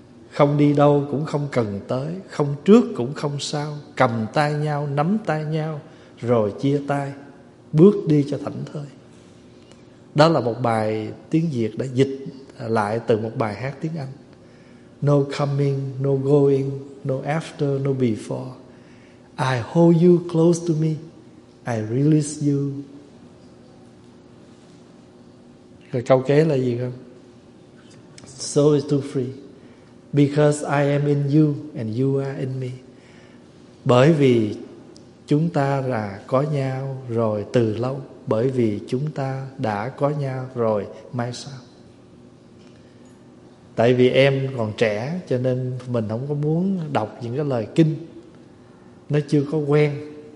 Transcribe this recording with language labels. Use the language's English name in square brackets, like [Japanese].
[Vietnamese] Không đi đâu cũng không cần tới, không trước cũng không sau, cầm tay nhau, nắm tay nhau, rồi chia tay, bước đi cho thảnh thơi. Đó là một bài tiếng Việt đã dịch lại từ một bài hát tiếng Anh. [English] No coming, no going, no after, no before. I hold you close to me, I release you. [Vietnamese] Rồi câu kế là gì không? [English] So is too free, because I am in you and you are in me. [Vietnamese] Bởi vì chúng ta là có nhau rồi từ lâu, bởi vì chúng ta đã có nhau rồi mai sau. Tại vì em còn trẻ cho nên mình không có muốn đọc những cái lời kinh, nó chưa có quen.